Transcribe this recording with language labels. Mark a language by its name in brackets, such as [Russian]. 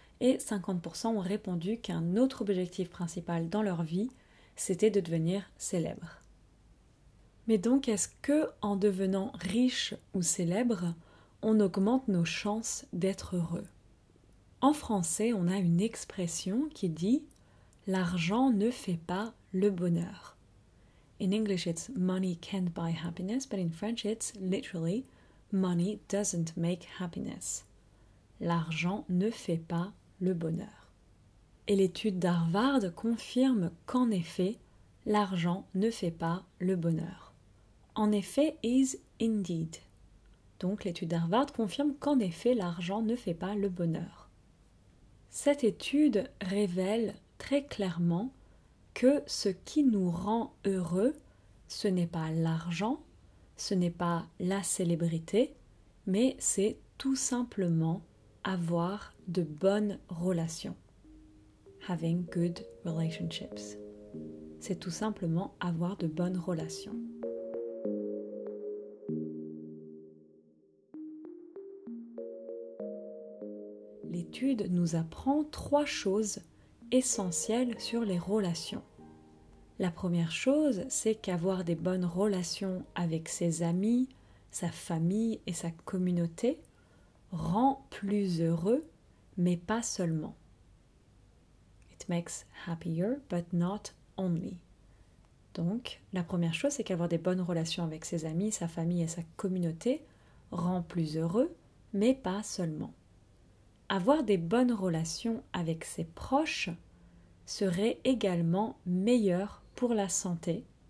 [French] Et 50% ont répondu qu'un autre objectif principal dans leur vie, c'était de devenir célèbre. Mais donc, est-ce que en devenant riche ou célèbre, on augmente nos chances d'être heureux? En français, on a une expression qui dit « l'argent ne fait pas le bonheur ». [English] In English, it's « money can't buy happiness », but in French, it's literally « money doesn't make happiness ». [French] L'argent ne fait pas le bonheur. Et l'étude d'Harvard confirme qu'en effet, l'argent ne fait pas le bonheur. En effet, [English] is indeed. [French] Donc l'étude d'Harvard confirme qu'en effet, l'argent ne fait pas le bonheur. Cette étude révèle très clairement que ce qui nous rend heureux, ce n'est pas l'argent, ce n'est pas la célébrité, mais c'est tout simplement avoir de bonnes relations. [English] Having good relationships. [French] C'est tout simplement avoir de bonnes relations. L'étude nous apprend trois choses essentielles sur les relations. La première chose, c'est qu'avoir des bonnes relations avec ses amis, sa famille et sa communauté rend plus heureux, mais pas seulement. [English] It makes happier, but not only. [French] Donc, la première chose, c'est qu'avoir des bonnes relations avec ses amis, sa famille et sa communauté rend plus heureux, mais pas seulement. Avoir des bonnes relations avec ses proches serait également meilleur pour la santé.